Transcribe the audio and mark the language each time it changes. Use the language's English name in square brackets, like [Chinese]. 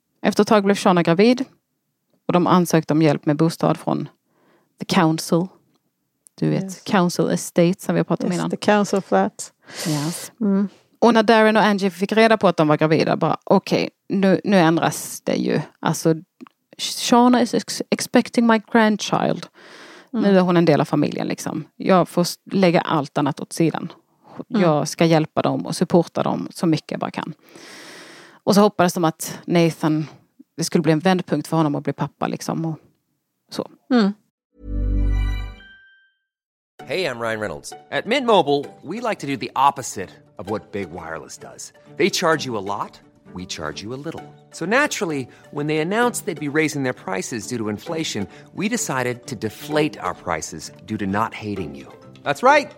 [Swedish] Efter ett tag blev Shauna gravid och de ansökte om hjälp med bostad från The Council. Du vet, [English] yes. [Swedish] Council Estate som vi har pratat om innan. [English] The Council Flat. Yes. Mm. [Swedish] Och när Darren och Angie fick reda på att de var gravida, bara okej, nu ändras det ju. Alltså, [English] Shauna is expecting my grandchild. Mm. [Swedish] Nu är hon en del av familjen liksom. Jag får lägga allt annat åt sidan. Mm. Jag ska hjälpa dem och supporta dem så mycket jag bara kan. Och så hoppades de att Nathan, det skulle bli en vändpunkt för honom att bli pappa liksom och så. Mm. [English] Hey, I'm Ryan Reynolds. At Mint Mobile, we like to do the opposite of what Big Wireless does. They charge you a lot, we charge you a little. So naturally, when they announced they'd be raising their prices due to inflation, we decided to deflate our prices due to not hating you. That's right.